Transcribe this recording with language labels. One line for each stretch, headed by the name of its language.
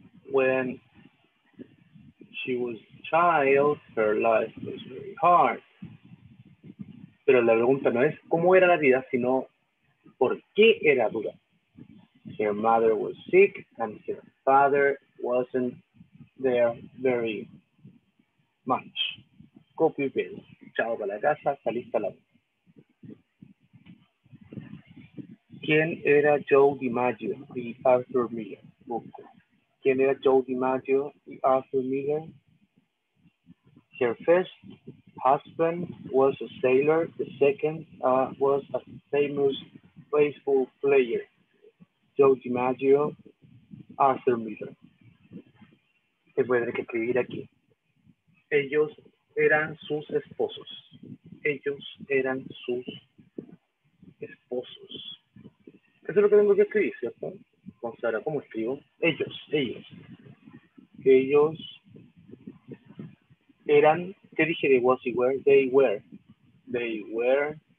English: When she was a child, her life was very hard.
Spanish: Pero la pregunta no es cómo era la vida, sino por qué era dura.
English: Her mother was sick and her father wasn't there very much. Copy y paste.
Spanish: Chao para la casa, saliste a la vida. ¿Quién era Joe DiMaggio y Arthur Miller? Busco. ¿Quién era Joe DiMaggio y Arthur Miller?
English: Her first husband was a sailor. The second was a famous baseball player.
Spanish: Joe DiMaggio, Arthur Miller. Te voy a tener que escribir aquí. Ellos eran sus esposos. Ellos eran sus esposos. Eso es lo que tengo que escribir, ¿cierto? Vamos a ver, ¿cómo escribo? Ellos. Ellos eran, ¿qué dije de was y were?
English: They were